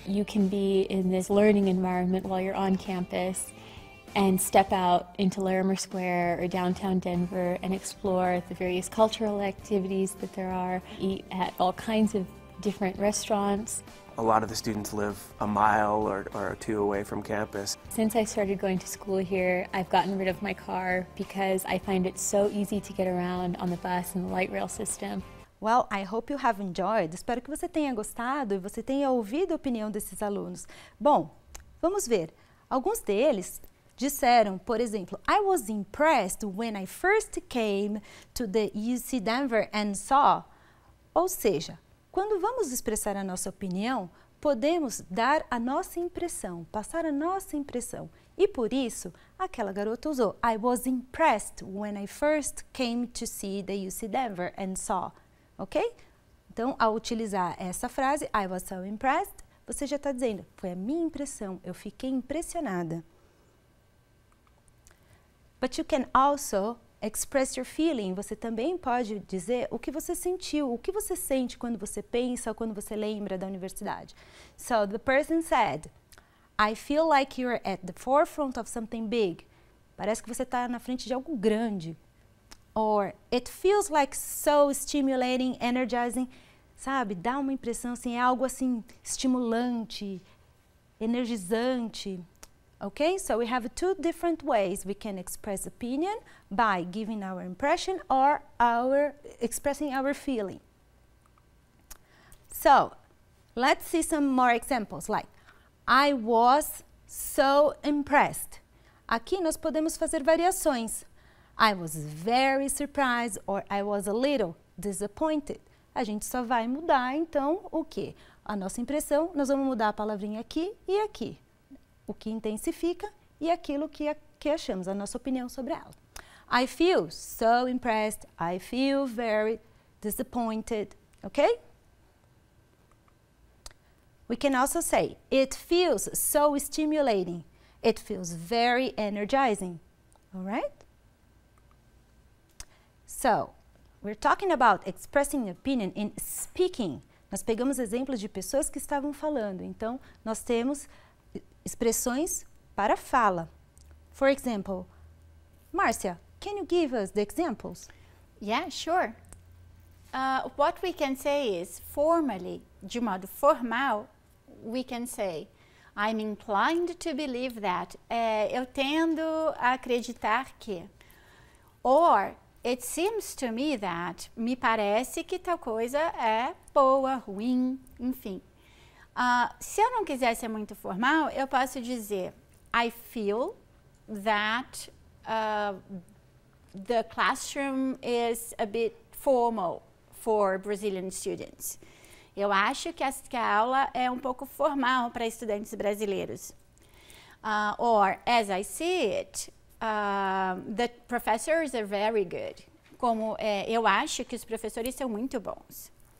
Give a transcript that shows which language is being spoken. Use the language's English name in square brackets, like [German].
[English] You can be in this learning environment while you're on campus and step out into Larimer Square or downtown Denver and explore the various cultural activities that there are, eat at all kinds of different restaurants. A lot of the students live a mile or two away from campus. Since I started going to school here, I've gotten rid of my car because I find it so easy to get around on the bus and the light rail system. Well, I hope you have enjoyed. [Portuguese] Espero que você tenha gostado e você tenha ouvido a opinião desses alunos. Bom, vamos ver. Alguns deles disseram, por exemplo, [English] I was impressed when I first came to the UC Denver and saw. [Portuguese] Ou seja, quando vamos expressar a nossa opinião, podemos dar a nossa impressão, passar a nossa impressão. E por isso, aquela garota usou, [English] I was impressed when I first came to see the UC Denver and saw. [Portuguese] Ok? Então, ao utilizar essa frase, [English] I was so impressed, [Portuguese] você já está dizendo, foi a minha impressão, eu fiquei impressionada. [English] But you can also express your feeling. [Portuguese] Você também pode dizer o que você sentiu, o que você sente quando você pensa ou quando você lembra da universidade. [English] So, the person said, I feel like you're at the forefront of something big. [Portuguese] Parece que você está na frente de algo grande. [English] Or, it feels like so stimulating, energizing. [Portuguese] Sabe, dá uma impressão assim, é algo assim, estimulante, energizante. [English] Okay, so we have two different ways we can express opinion by giving our impression or expressing our feeling. So, let's see some more examples, like, I was so impressed. [Portuguese] Aqui nós podemos fazer variações. [English] I was very surprised or I was a little disappointed. [Portuguese] A gente só vai mudar, então, o quê? A nossa impressão, nós vamos mudar a palavrinha aqui e aqui. O que intensifica e aquilo que achamos, a nossa opinião sobre ela. [English] I feel so impressed, I feel very disappointed, ok? We can also say, it feels so stimulating, it feels very energizing, alright? So, we're talking about expressing opinion in speaking. [Portuguese] Nós pegamos exemplos de pessoas que estavam falando, então nós temos expressões para fala. [English] For example, Márcia, can you give us the examples? Yeah, sure. What we can say is, formally, [Portuguese] de modo formal, [English] we can say, I'm inclined to believe that. [Portuguese] Eu tendo a acreditar que. [English] Or, it seems to me that. [Portuguese] Me parece que tal coisa é boa, ruim, enfim. Se eu não quiser ser muito formal, eu posso dizer, [English] I feel that the classroom is a bit formal for Brazilian students. [Portuguese] Eu acho que a aula é um pouco formal para estudantes brasileiros. [English] Or, as I see it, the professors are very good. [Portuguese] Como eu acho que os professores são muito bons.